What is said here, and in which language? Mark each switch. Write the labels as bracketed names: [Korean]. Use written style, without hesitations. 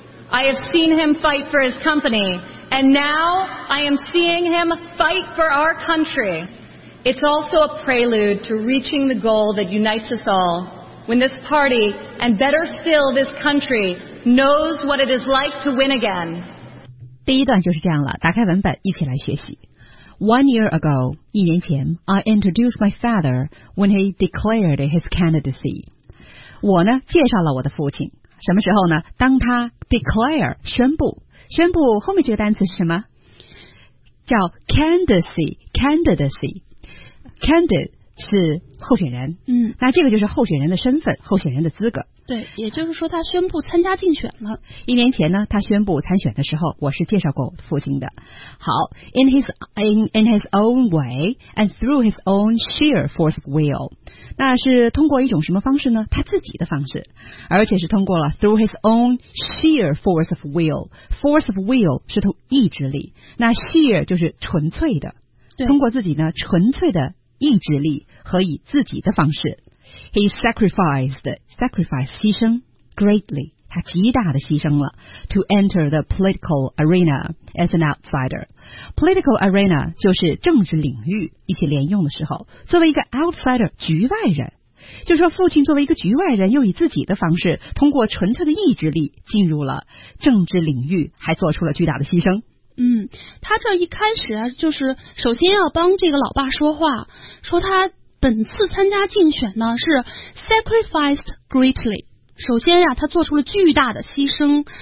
[English] I have seen him fight for his company. And now I am seeing him fight for our country. It's also a prelude to reaching the goal that unites us all. When this party, and better still, this country, knows what it is like to win again. [Chinese] 第一段就是这样了，打开文本一起来学习。 [English] One year ago, [Chinese] 一年前 [English] I introduced my father when he declared his candidacy. [Chinese] 我呢介绍了我的父亲。什么时候呢？当他 declare 宣布，宣布后面这个单词是什么？叫 candidacy, candidacy. Candid 是候选人。那这个就是候选人的身份，候选人的资格。对，也就是说他宣布参加竞选了。一年前呢，他宣布参选的时候，我是介绍过父亲的。 [English] 好 ，in his own way and through his own sheer force of will， [Chinese] 那是通过一种什么方式呢？他自己的方式，而且是通过了 [English] through his own sheer force of will。 [Chinese] force of will 是通意志力，那 sheer 就是纯粹的，通过自己呢纯粹的意志力和以自己的方式。 [English] He sacrificed 牺牲 greatly， [Chinese] 他极大的牺牲了 [English] to enter the political arena as an outsider。 [Chinese] Political arena 就是政治领域，一起连用的时候，作为一个 outsider 局外人，就是说父亲作为一个局外人，又以自己的方式通过纯粹的意志力进入了政治领域，还做出了巨大的牺牲。他这一开始啊，就是首先要帮这个老爸说话，说他本次参加竞选呢是 [English] sacrificed greatly， [Chinese] 首先呀，他做出了巨大的牺牲。